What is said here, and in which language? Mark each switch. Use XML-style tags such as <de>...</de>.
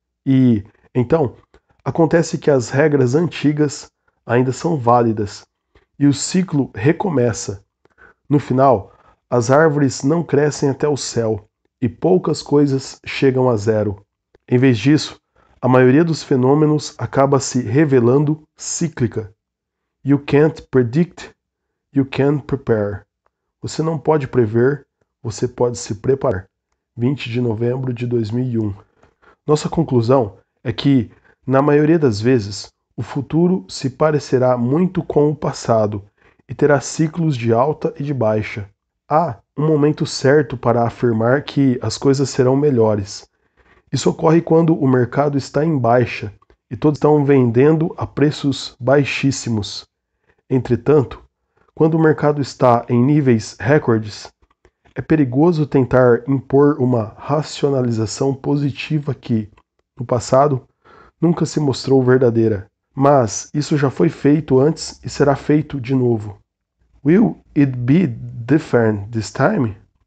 <pt>E, então, acontece que as regras antigas ainda são válidas e o ciclo recomeça. No final, as árvores não crescem até o céu e poucas coisas chegam a zero. Em vez disso, a maioria dos fenômenos acaba se revelando cíclica.</pt> <en>You can't predict, you can't prepare.</en> <pt>Você não pode prever, você pode se preparar. 20 de novembro de 2001. Nossa conclusão é que, na maioria das vezes, o futuro se parecerá muito com o passado. E terá ciclos de alta e de baixa. Há um momento certo para afirmar que as coisas serão melhores. Isso ocorre quando o mercado está em baixa e todos estão vendendo a preços baixíssimos. Entretanto, quando o mercado está em níveis recordes, é perigoso tentar impor uma racionalização positiva que, no passado, nunca se mostrou verdadeira. Mas isso já foi feito antes e será feito de novo.</pt> <en>Will it be different this time?</en>